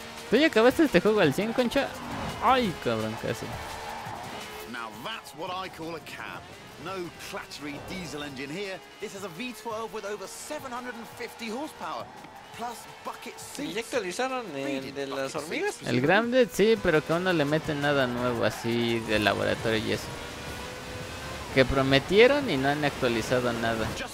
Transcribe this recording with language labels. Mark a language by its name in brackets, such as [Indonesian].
[Spanish] ¿Tú ya acabaste este juego al 100, Concha? Ay, cabrón, casi. [English] Now that's what I call a cab. No clattery diesel engine here. This has a V12 with over 750 horsepower. Plus bucket seats. [Spanish] ¿Y ya actualizaron el de las hormigas? El Grounded, sí, pero que aún no le meten nada nuevo así de laboratorio y eso. Que prometieron y no han actualizado nada.